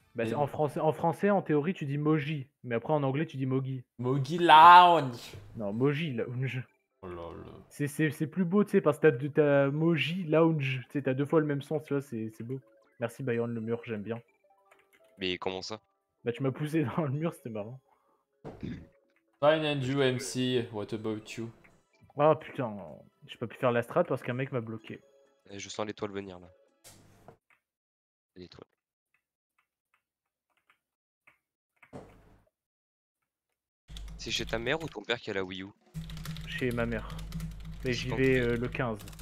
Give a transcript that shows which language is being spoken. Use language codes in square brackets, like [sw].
[fr] Bah, en français, en théorie, tu dis Moji, mais après en anglais, tu dis Mogi. Mogi Lounge. Non, Moji Lounge. Oh là là. C'est plus beau, tu sais, parce que t'as Moji Lounge. Tu sais, t'as deux fois le même son, tu vois, c'est beau. Merci, Bayon, le mur, j'aime bien. Mais comment ça? Bah, tu m'as poussé dans le mur, c'était marrant. [en] Fine and you, MC, what about you? [fr] Oh putain, j'ai pas pu faire la strat parce qu'un mec m'a bloqué. Et je sens l'étoile venir là. L'étoile. C'est chez ta mère ou ton père qui a la Wii U? Chez ma mère. Mais j'y vais le 15.